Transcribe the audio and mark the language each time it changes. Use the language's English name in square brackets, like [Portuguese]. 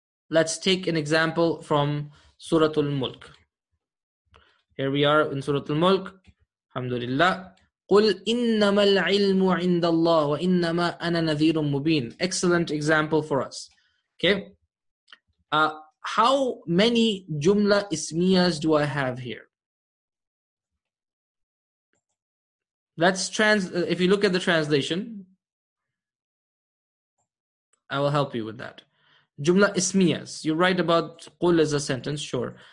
[English] Let's take an example from Surah Al-Mulk. Here we are in Surah Al-Mulk. Alhamdulillah. [Arabic] قُلْ إِنَّمَا الْعِلْمُ عِنْدَ اللَّهِ وَإِنَّمَا أَنَا نَذِيرٌ مُبِينٌ [English] Excellent example for us. Okay. How many jumla ismiyas do I have here? If you look at the translation, I will help you with that. Jumla ismiyas. You write about qul as a sentence, sure.